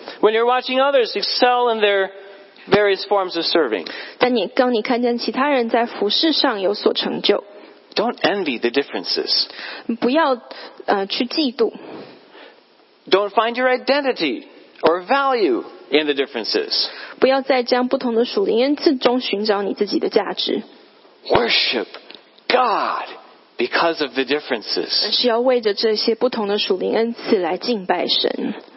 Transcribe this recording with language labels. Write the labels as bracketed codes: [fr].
[en] When you're watching others excel in their various forms of serving, [zh] 当你看见其他人在服事上有所成就。 [en] Don't envy the differences. [zh] 不要去嫉妒。 [en] Don't find your identity or value in the differences. [zh] 不要在将不同的属灵恩赐中寻找你自己的价值。 [en] Worship God because of the differences. [zh] 需要为着这些不同的属灵恩赐来敬拜神。